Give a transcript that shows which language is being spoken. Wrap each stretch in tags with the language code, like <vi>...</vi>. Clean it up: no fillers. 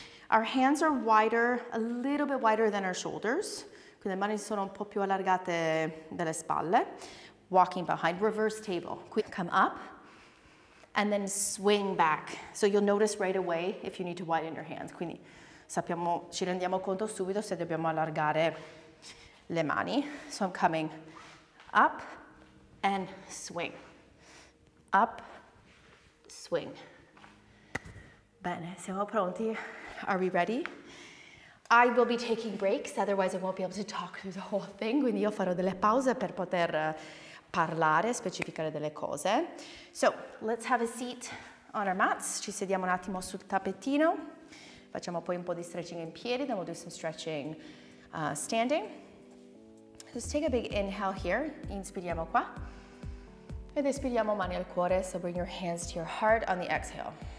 <en>Our hands are wider, a little bit wider than our shoulders.</en> <it>Quindi le mani sono un po' più allargate delle spalle.</it> <en>Walking behind, reverse table. Qui, come up and then swing back. So you'll notice right away if you need to widen your hands.</en> <it>Quindi, sappiamo, ci rendiamo conto subito se dobbiamo allargare le mani.</it> <en>So I'm coming up and swing. Up, swing.</en> <it>Bene, siamo pronti?</it> <en>Are we ready? I will be taking breaks, otherwise I won't be able to talk through the whole thing.</en> <it>Quindi io farò delle pause per poter parlare, specificare delle cose.</it> <en>So, let's have a seat on our mats.</en> <it>Ci sediamo un attimo sul tappetino. Facciamo poi un po' di stretching in piedi,</it> <en>then we'll do some stretching standing. Just take a big inhale here,</en> <it>inspiriamo qua. Ed espiriamo mani al cuore,</it> <en>so bring your hands to your heart on the exhale.</en>